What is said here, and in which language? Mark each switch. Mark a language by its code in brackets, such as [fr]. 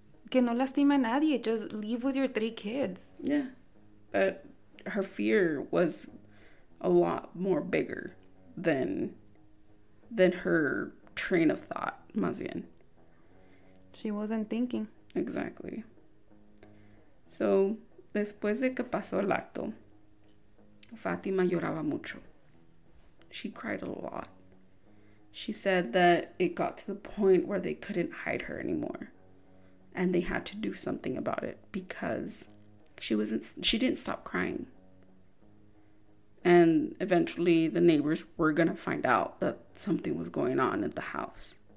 [es] Que no lastima a nadie. [en] Just leave with your three kids. Yeah. But her fear was a lot more bigger than her train of thought, [es] más bien. [en] She wasn't thinking. Exactly. [es] So, después de que pasó el acto, Fátima lloraba mucho. [en] She cried a lot. She said that it got to the point where they couldn't hide her anymore. And they had to do something about it because she didn't stop crying. And eventually the neighbors were going to find out that something was going on at the house.